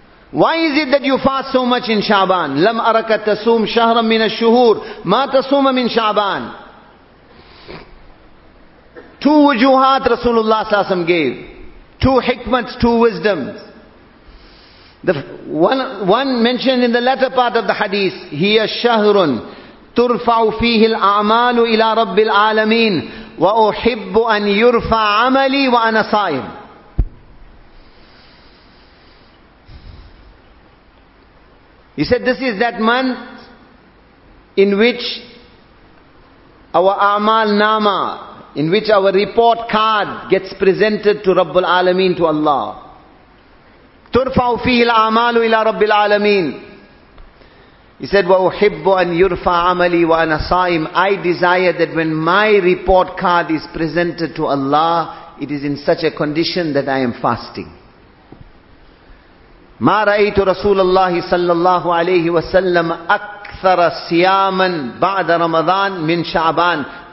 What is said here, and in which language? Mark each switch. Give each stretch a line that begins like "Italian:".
English: Why is it that you fast so much in Shaban?
Arabic: لَمْ أَرَكَ تَصُومْ شَهْرًا مِنَ الشُّهُورِ مَا تَصُومَ مِنْ شَعْبَانِ.
English: Two wujuhat Rasulullah sallallahu alaihi wasallam gave. Two hikmats, two wisdoms. The one mentioned in the latter part of the hadith,
Arabic: هِيَ الشَّهْرٌ تُرْفَعُ فِيهِ الْأَعْمَالُ إِلَىٰ رَبِّ الْعَالَمِينَ وَأُحِبُّ أَنْ يُرْفَعَ عَمَلِي وَأَنَا صَائِمٌ.
English: He said, this is that month in which our a'mal nama, in which our report card gets presented to Rabbul Alameen, to Allah.
Arabic: تُرْفَعُ فِيهِ الْأَعْمَالُ إِلَىٰ رَبِّ الْعَالَمِينَ.
English: He said,
Arabic: وَأُحِبُّ أَنْ يُرْفَعَ عَمَلِي وَأَنَا صَائِمٌ.
English: I desire that when my report card is presented to Allah, it is in such a condition that I am fasting.
Arabic: مَا رَأَيْتُ رَسُولَ اللَّهِ صَلَّى اللَّهُ عَلَيْهِ وَسَلَّمَ أَكْثَرَ سِيَامًا بَعْدَ رَمَضَانٍ مِنْ شَعْبَانٍ.